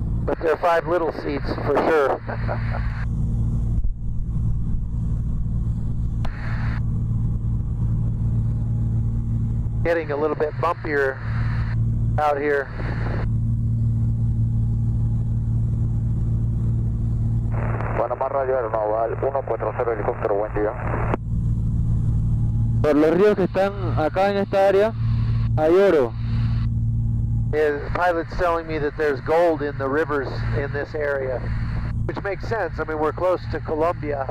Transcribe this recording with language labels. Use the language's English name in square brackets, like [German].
[English] But there are five little seats for sure. Getting a little bit bumpier out here. [Spanish] Panama Radio Aeronaval, 140 helicóptero, buen día. Por los ríos que están acá en esta área, hay oro. [English] The pilot's telling me that there's gold in the rivers in this area, which makes sense. I mean, we're close to Colombia.